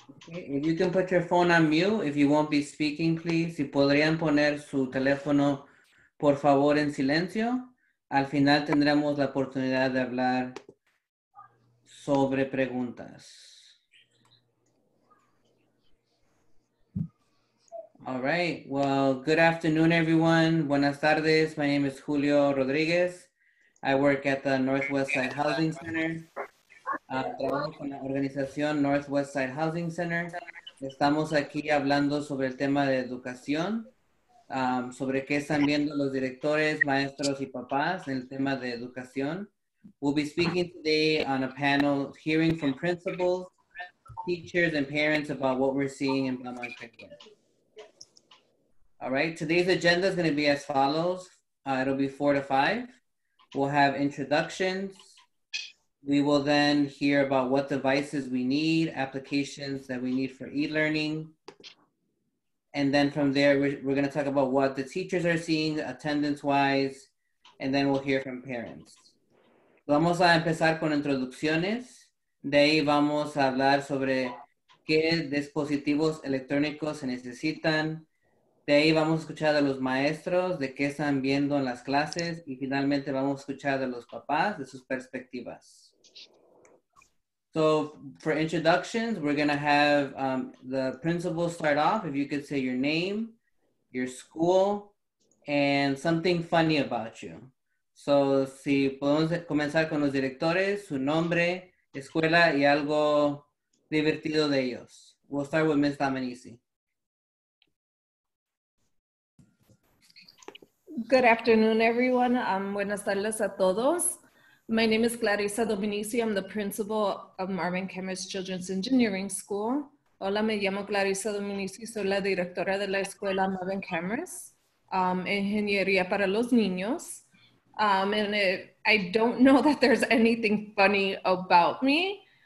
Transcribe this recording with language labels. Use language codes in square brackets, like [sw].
[en] If you can put your phone on mute, if you won't be speaking, please. [es] Si podrían poner su teléfono, por favor, en silencio. Al final tendremos la oportunidad de hablar sobre preguntas. [en] All right. Well, good afternoon, everyone. [es] Buenas tardes. [en] My name is Julio Rodriguez. I work at the Northwest Side Housing Center. [es] Trabajo con la organización Northwest Side Housing Center. Estamos aquí hablando sobre el tema de educación, sobre qué están viendo los directores, maestros y papás en el tema de educación. [en] We'll be speaking today on a panel hearing from principals, teachers, and parents about what we're seeing in Belmont Crickwood. All right, today's agenda is going to be as follows. It'll be 4 to 5. We'll have introductions. We will then hear about what devices we need, applications that we need for e-learning. And then from there, we're going to talk about what the teachers are seeing attendance-wise, and then we'll hear from parents. [es] Vamos a empezar con introducciones. De ahí vamos a hablar sobre qué dispositivos electrónicos se necesitan. De ahí vamos a escuchar a los maestros, de qué están viendo en las clases, y finalmente vamos a escuchar a los papás, de sus perspectivas. [en] So, for introductions, we're going to have the principal start off. If you could say your name, your school, and something funny about you. [es] So, si podemos comenzar con los directores, su nombre, escuela, y algo divertido de ellos. [en] We'll start with Ms. Dominici. Good afternoon, everyone. [es] Buenas tardes a todos. [en] My name is Clarissa Dominici. I'm the principal of Marvin Kemmerich Children's Engineering School. [es] Hola, me llamo Clarissa Dominici. Soy la directora de la escuela Marvin Kemmerich, Ingeniería para los Niños. [en] I don't know that there's anything funny about me.